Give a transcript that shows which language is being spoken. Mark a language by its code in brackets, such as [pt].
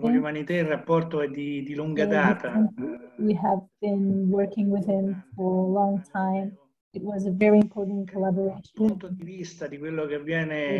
[it] Con Humanité il rapporto è di lunga data. [en] We have been working with him for a long time. It was a very important collaboration. [it] Dal punto di vista di quello che avviene,